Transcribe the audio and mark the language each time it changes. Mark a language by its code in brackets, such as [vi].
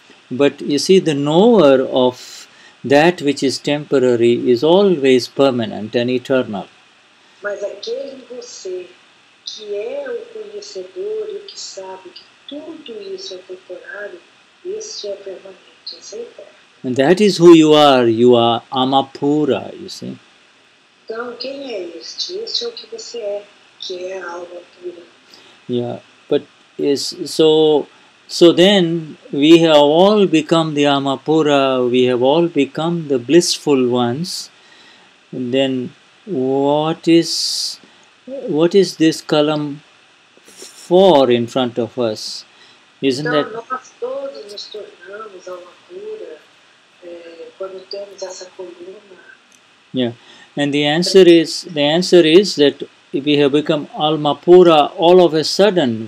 [en] But you see, the knower of that which is temporary is always permanent and eternal. [pt] Mas aquele em você que é o conhecedor e que sabe que tudo isso é temporário, isso é permanente, isso é eterno. [en] And that is who you are Alma pura, you see. [pt] Então quem é este? Este é o que você é, que é a alma pura. [en] Yeah, but is so. So then, we have all become the Amapura, we have all become the blissful ones. Then, what is this Kalam for in front of us? Isn't that? [pt] Então, nós todos nos tornamos Amapura, quando temos essa coluna. [en] Yeah, and the answer is that we have become Almapura all of a sudden.